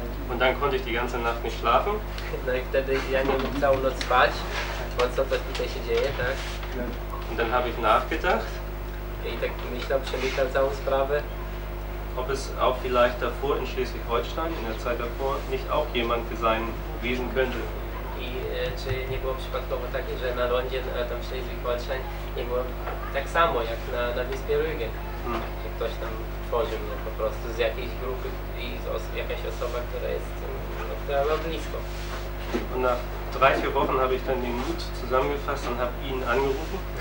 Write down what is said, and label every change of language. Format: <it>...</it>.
<de>Und dann konnte ich die ganze Nacht nicht schlafen.</de> <pl>No i wtedy ja nie mógł całą noc spać, bo co to tutaj się dzieje, tak?</pl> <de>Und dann habe ich nachgedacht.</de> <pl>I tak myślał, przemyślał całą sprawę.</pl> <de>Ob es auch vielleicht davor in Schleswig-Holstein, in der Zeit davor, nicht auch jemand sein gewesen könnte.</de> <pl>I czy nie było przypadkowo takie, że na lądzie, tam w Schleswig-Holstein, nie było tak samo jak na wyspie Rügen. Czy ktoś tam tworzył, no, po prostu z jakiejś grupy i jakaś osoba, która jest, no, która była blisko.</pl> <de>Und nach 3-4 Wochen habe ich dann den Mut zusammengefasst und habe ihn angerufen.</de>